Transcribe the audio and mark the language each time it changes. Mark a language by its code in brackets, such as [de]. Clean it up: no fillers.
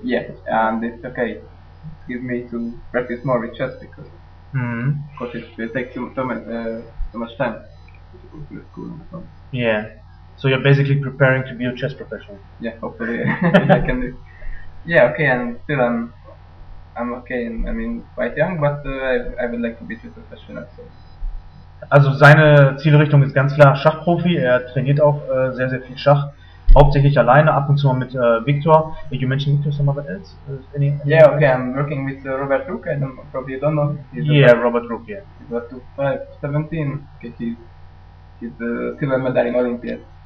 [en] Yeah, and it's okay. It gives me to practice more with chess because, of course, it will take too much time to go to school. And so. Yeah. So you're basically preparing to be a chess professional. Yeah, hopefully I can do. Yeah. Okay. And still I'm okay, I mean, quite young, but I would like to be too professional, so. [de] Also seine Zielrichtung ist ganz klar Schachprofi, er trainiert auch sehr, sehr viel Schach, hauptsächlich alleine, ab und zu mal mit Victor. [en] You mentioned Victor, somebody else? I'm working with Robert Rook, I don't, probably you don't know. Robert Rook, yeah. He's about 2-5-17, okay, he's the silver medal in Olympiad.